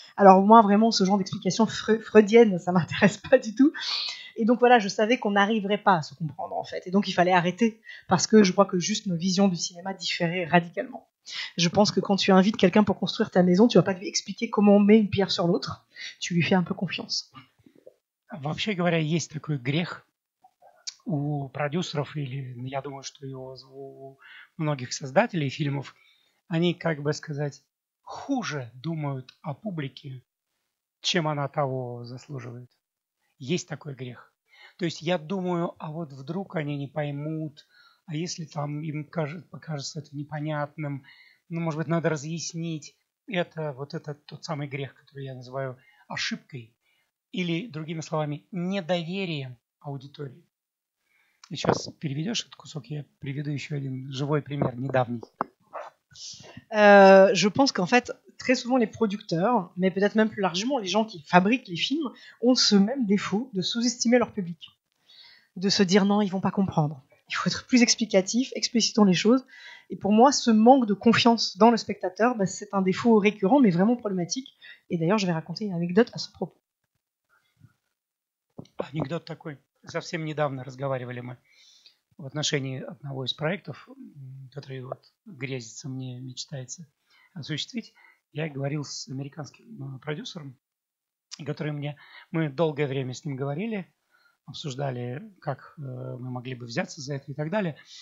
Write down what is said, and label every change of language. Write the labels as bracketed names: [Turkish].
[French] Alors moi, vraiment, ce genre d'explication freudienne, ça ne m'intéresse pas du tout. Et donc voilà, je savais qu'on n'arriverait pas à se comprendre, en fait, et donc il fallait arrêter, parce que je crois que juste nos visions du cinéma différaient radicalement. Je pense que quand tu invites quelqu'un pour construire ta maison, tu vas pas lui expliquer comment on met une pierre sur l'autre. Tu lui fais un peu confiance. [Russian] Вообще говоря, есть такой грех у продюсеров, или я думаю, что и у многих создателей фильмов, они, как бы сказать, хуже думают о публике, чем она того заслуживает. Есть такой грех. То есть я думаю, а вот вдруг они не поймут. А если там им покажется это непонятным, ну, может быть, надо разъяснить. Это вот это тот самый грех, который я называю ошибкой. Или, другими словами, недоверием аудитории. И сейчас переведешь этот кусок, я приведу еще один живой пример, недавний. [French] Je pense qu'en fait, très souvent les producteurs, mais peut-être même plus largement les gens qui fabriquent les films, ont ce même défaut de sous-estimer leur public. De se dire non, ils ne vont pas comprendre. Il faut être plus explicatif, explicitons les choses. Et pour moi, ce manque de confiance dans le spectateur, bah, c'est un défaut récurrent, mais vraiment problématique. Et d'ailleurs, je vais raconter une anecdote à ce propos. [Russian] Анекдот такой. Совсем недавно разговаривали мы в отношении одного из проектов, который вот грезится мне, мечтается осуществить. Я говорил с американским продюсером, который мне... Мы долгое время с ним говорили, обсуждали, как мы могли бы взяться за это и так далее.